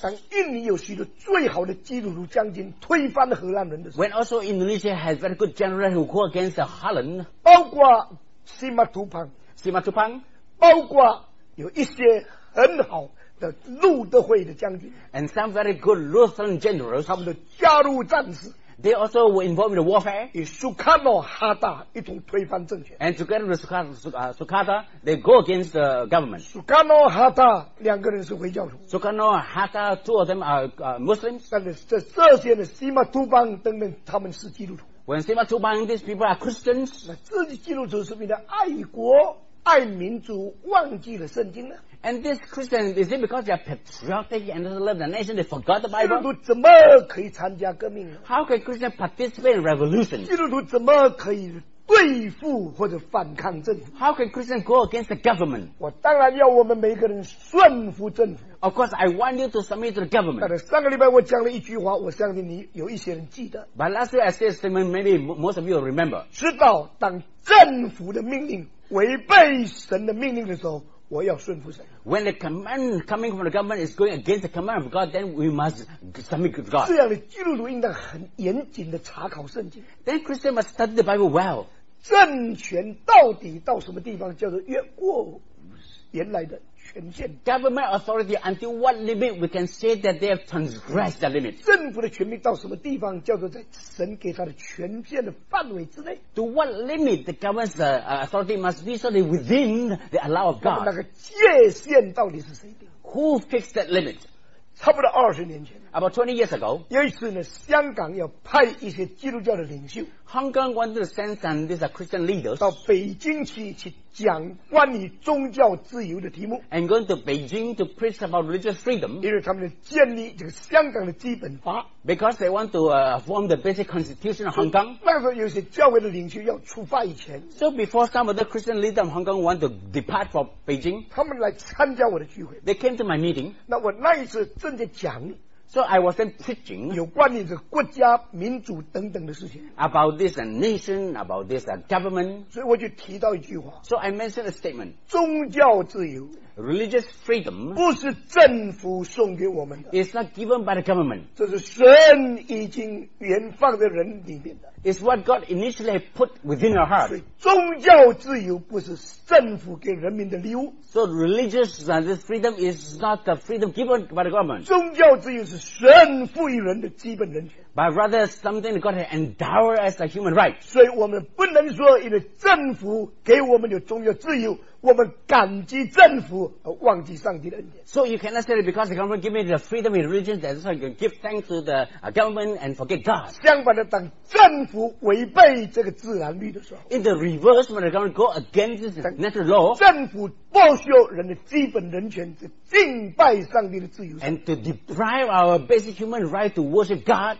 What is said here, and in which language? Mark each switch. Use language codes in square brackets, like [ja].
[zh] 当印尼有许多最好的基督徒将军推翻了荷兰人的时候 [en] When also Indonesia has very good general who go against Holland [zh] 包括 Simatupang 包括有一些很好的路德会的将军 [en] and some very good Lutheran generals [zh] 他们的加入战士 [en] they also were involved in the warfare [zh] 与苏卡诺哈达一同推翻政权 [en] and together with Sukarno they go against the government [zh] 苏卡诺哈达两个人是回教徒 [en] Sukarno Hatta two of them are Muslims [zh] 但是这些的西马图邦等等他们是基督徒 [en] when Sima Tupang these people are Christians [zh] 那自己基督徒是为了爱国爱民族忘记了圣经呢 [en] And this Christian, is it because they are patriotic and they love the nation, they forgot the Bible? [zh] 基督徒怎么可以参加革命 [en] How can Christians participate in revolution? [zh] 基督徒怎么可以对付或者反抗政府 [en] How can Christians go against the government? [zh] 我当然要我们每个人顺服政府 [en] Of course, I want you to submit to the government. [zh] 但是上个礼拜我讲了一句话我相信你有一些人记得 [en] But last week I said a statement, maybe most of you will remember. [zh] 知道当政府的命令违背神的命令的时候，我要顺服神。 [en] When the command coming from the government is going against the command of God, then we must submit to God. [zh] 这样的基督徒应当很严谨的查考圣经。 [en] Then Christians must study the Bible well. [zh] 政权到底到什么地方叫做越过原来的权限 [en] ？Government authority until what limit we can say that they have transgressed the limit？ [zh] 政府的权柄到什么地方叫做在神给他的权限的范围之内 [en] ？To what limit the government's authority must be solely within the allow of God？ [zh] 那个界限到底是谁定 [en] ？Who fixed that limit？ [zh] 差不多二十年前 [en] ，About 20 years ago， [zh] 有一次呢，香港要派一些基督教的领袖 [en] ，Hong Kong wanted to send some these Christian leaders [zh] 到北京去讲关于宗教自由的题目 [en] ，and going to Beijing to preach about religious freedom， [zh] 因为他们要建立这个香港的基本法 [en] ，because they want to form the basic constitution of Hong Kong。 [zh] 那时候有些教会的领袖要出发以前 [en] ，so before some of the Christian leaders of Hong Kong want to depart for Beijing， [zh] 他们来参加我的聚会 [en] ，they came to my meeting。 [zh] 那我那一次正在讲。 [en] So I was then preaching [zh] 有关于这个国家民主等等的事情 [en] about this nation about this government [zh] 所以我就提到一句话 [en] So I mentioned a statement [zh] 宗教自由 [en] religious freedom [zh] 不是政府送给我们的 [en] It's not given by the government [zh] 这是神已经原放在人里面的 [en] It's what God initially put within our heart [zh] 所以宗教自由不是政府给人民的礼物 [en] So religious freedom is not the freedom given by the government [zh] 宗教自由是神赋予人的基本人权 [en] But rather something God has endowed as a human right [zh] 所以我们不能说因为政府给我们有宗教自由我们感激政府而忘记上帝的恩典。 [en] So you cannot say because the government give me the freedom in religion, that's why you can give thanks to the government and forget God. [zh] 相反的，当政府违背这个自然律的时候 [en] ，in the reverse, when the government go against this natural law, [zh] 政府剥削人的基本人权，是敬拜上帝的自由。 [en] And to deprive our basic human right to worship God,